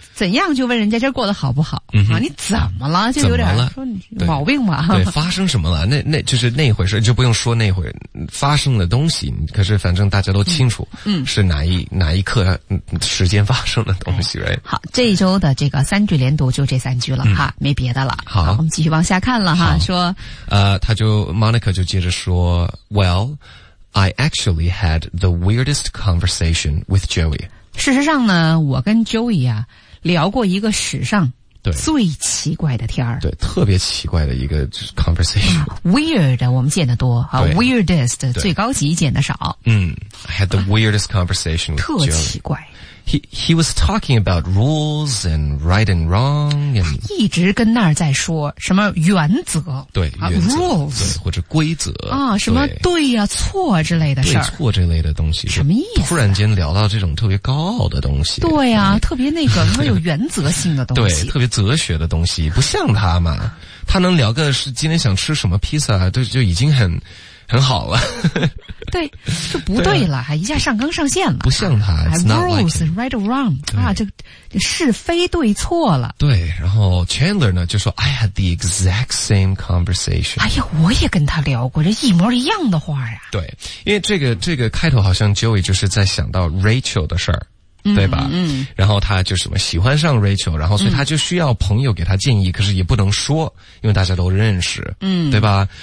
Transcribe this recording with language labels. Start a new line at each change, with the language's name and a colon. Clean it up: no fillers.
Chinese: 怎样就问人家今儿过得好不好、啊、你怎么了就有点说你毛病吧。对发生什么了，那就是那回事，就不用说那回发生的东西，可是反正大家都清楚是哪一刻时间发生的东西、right? 好，这一周的这个三句连读就这三句了哈，没别的了。好我们继续往下看了哈。说他就 Monica 就接着说
English: WellI actually had the weirdest conversation with Joey.
Chinese: 事实上呢，我跟 Joey 啊聊过一个史上最奇怪的天儿。对，特别奇怪的一个 conversation. Weird 我们见得多啊 ，weirdest 最高级见得少。
English: I had the weirdest conversation with Joey.
Chinese: 特奇怪。
English: He was talking about rules and right and wrong. And
Chinese: 一直跟那儿在说什么原则，对、
English: rules
Chinese: 对或者规则啊，什么对呀、错之类的事儿，对错这类的东西，什么意思、突然间聊到这种特别高傲的东西，对呀、特别那个什么有原则性的东西，对，特别哲学的东西，不像他嘛，他能聊个是今天想吃什么披萨，就已经很好了对就不对了，还、一下上纲上线了，不像他
English: rules right or wrong
Chinese: 啊，就是非对错了。对，然后 Chandler 呢就说
English: I had the exact same conversation，
Chinese: 哎呀我也跟他聊过这一模一样的话呀。对，因为这个开头好像 Joey 就是在想到 Rachel 的事儿，对吧？然后他就什么喜欢上 Rachel， 然后所以他就需要朋友给他建议，可是也不能说，因为大家都认识，对吧？